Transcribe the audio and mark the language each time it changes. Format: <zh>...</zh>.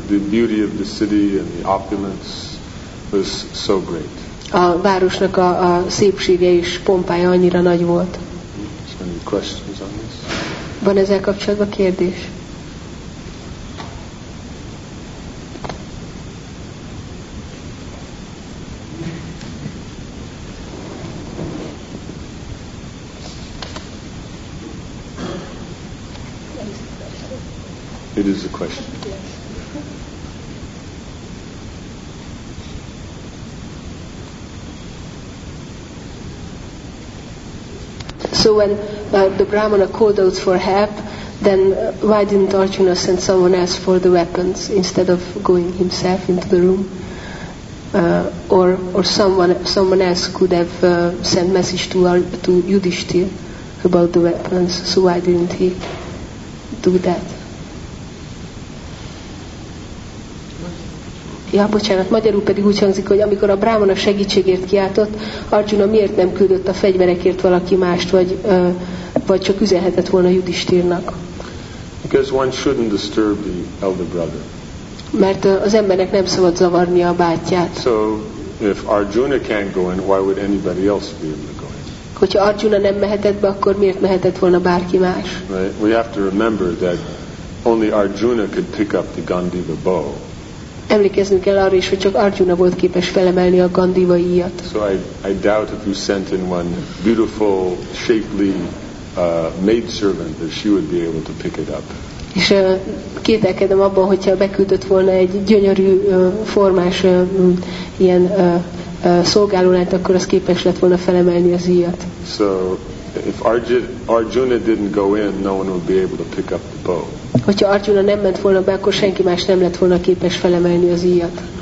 <en>The beauty of the city and the opulence was so great.</en> <hu>A városnak a szépsége és pompája annyira nagy volt.</hu> <en>Any questions on this?</en> <hu>Van ezzel kapcsolatban kérdés?</hu> <en>It is a question. So when the Brahmana called out for help, then why didn't Arjuna send someone else for the weapons instead of going himself into the room? Or someone else could have sent message to Yudhishthir about the weapons, so why didn't he do that?</en> <hu>Ja, bocsánat, magyarul pedig úgy hangzik, hogy amikor a brámana segítségért kiáltott, Arjuna miért nem küldött a fegyverekért valaki mást, vagy csak üzenhetett volna Yudhishthirnak?</hu> <en>Because one shouldn't disturb the elder brother.</en> <hu>Mert az embernek nem szabad zavarni a bátyját.</hu> <en>So if Arjuna can't go in, why would anybody else be able to go in?</en> <hu>Hogyha Arjuna nem mehetett be, akkor miért mehetett volna bárki más?</hu> <en>Right? We have to remember that only Arjuna could pick up the Gandiva bow.</en> <hu>Emlékeznünk kell arra is, hogy csak Arjuna volt képes felemelni a Gandiva íjat.</hu> <en>So I doubt if you sent in one beautiful, shapely maid servant that she would be able to pick it up.</en> <hu>És kételkedem abban, hogyha beküldött volna egy gyönyörű formás ilyen szolgálónát, akkor az képes lett volna felemelni az íjat.</hu> <en>So if Arjuna didn't go in, no one would be able to pick up the bow.</en> <hu>Hogyha Arjuna nem ment volna be, akkor senki más nem lett volna képes felemelni az íjat.</hu>